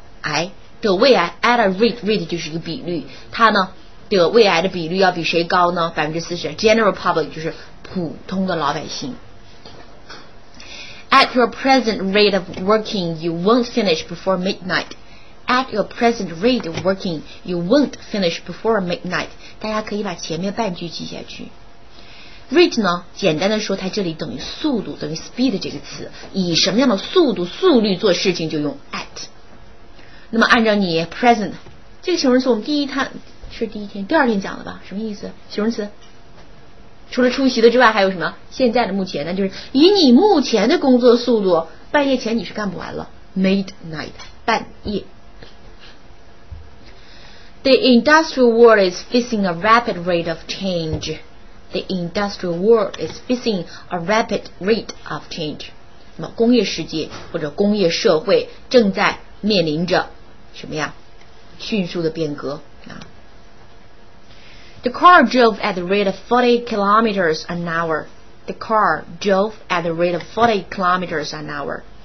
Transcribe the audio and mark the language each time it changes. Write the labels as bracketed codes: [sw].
[zh] 癌，得胃癌。At a rate 就是一个比率，它呢得胃癌的比率要比谁高呢？40%。 General public 就是普通的老百姓。 [en] At your present rate of working, you won't finish before midnight. At your present rate of working, you won't finish before midnight. [zh] 大家可以把前面半句记下去。 Rate 呢，简单的说，它这里等于速度，等于 speed 这个词，以什么样的速度、速率做事情就用 at。那么按照你 present 这个形容词，我们第二天讲了吧？什么意思？形容词除了出席的之外，还有什么？现在的、目前的，就是以你目前的工作速度，半夜前你是干不完了 ，midnight 半夜。 [en] The industrial world is facing a rapid rate of change. The industrial world is facing a rapid rate of change. [zh] 那么工业世界或者工业社会正在面临着什么呀？迅速的变革啊。 [en] The car drove at the rate of 40 kilometers an hour. The car drove at the rate of 40 kilometers an hour.